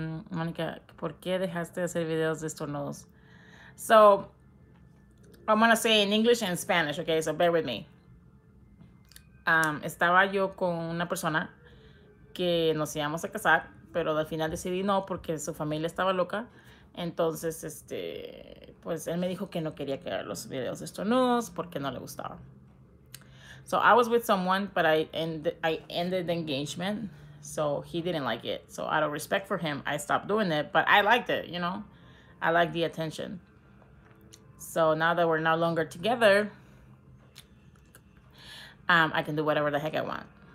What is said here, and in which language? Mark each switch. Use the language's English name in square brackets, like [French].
[Spanish] Monica, ¿por qué dejaste de hacer videos de estornudos? [English] So, I'm gonna say in English and Spanish, okay? So bear with me. [Spanish] Estaba yo con una persona que nos íbamos a casar, pero al final decidí no porque su familia estaba loca. Entonces, pues él me dijo que no quería que haga los videos estornudos porque no le gustaba. [English] So I was with someone, but I ended the engagement, so he didn't like it. So out of respect for him, I stopped doing it, but I liked it, you know? I liked the attention. So now that we're no longer together, I can do whatever the heck I want.